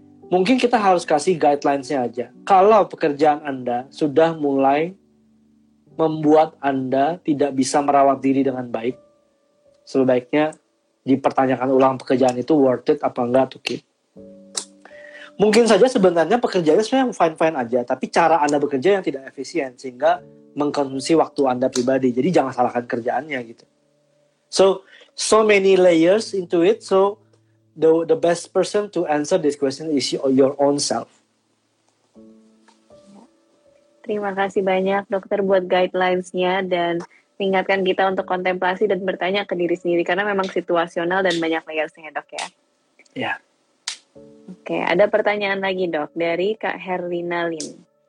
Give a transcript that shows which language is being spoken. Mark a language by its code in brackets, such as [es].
[id] Mungkin kita harus kasih guidelines-nya aja. Kalau pekerjaan Anda sudah mulai membuat Anda tidak bisa merawat diri dengan baik, sebaiknya dipertanyakan ulang pekerjaan itu [en] worth it [id] apa enggak [en] to keep. [id] Mungkin saja sebenarnya pekerjaannya sebenarnya fine-fine aja, tapi cara Anda bekerja yang tidak efisien sehingga mengkonsumsi waktu Anda pribadi. Jadi jangan salahkan kerjaannya gitu. [en] So many layers into it. So the best person to answer this question is your own self. [id] Terima kasih banyak dokter buat guidelines-nya dan mengingatkan kita untuk kontemplasi dan bertanya ke diri sendiri, karena memang situasional dan banyak layers-nya, Dok, ya. Iya. Oke, ada pertanyaan lagi, Dok, dari Kak Herlina Lim.